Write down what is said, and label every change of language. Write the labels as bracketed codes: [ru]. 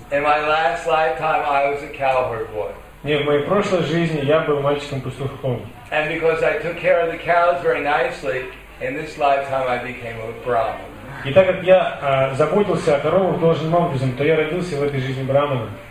[en] In my last lifetime, I was a cowherd boy. [ru] Нет, в моей прошлой жизни я был мальчиком-пастухом. [en] And because I took care of the cows very nicely, in this lifetime I became a Brahmin. [ru] И так как я заботился о коровах должным образом, то я родился в этой жизни Брахманом.